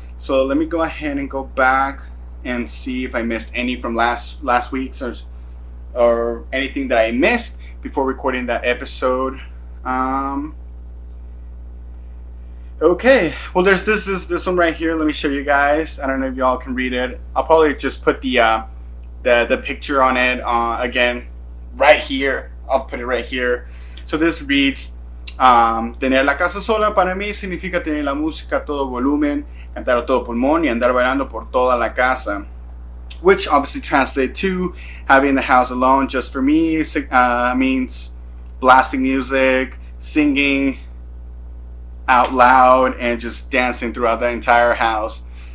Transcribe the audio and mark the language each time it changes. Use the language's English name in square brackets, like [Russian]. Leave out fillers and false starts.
[English] So let me go ahead and go back and see if I missed any from last week's or anything that I missed before recording that episode. Okay, well, there's this one right here. Let me show you guys. I don't know if y'all can read it. I'll probably just put the picture on it again right here. I'll put it right here. So this reads, [Spanish] tener la casa sola para mí significa tener la música a todo volumen, cantar a todo pulmón y andar bailando por toda la casa. [English] Which obviously translates to having the house alone just for me, means blasting music, singing out loud, and just dancing throughout the entire house.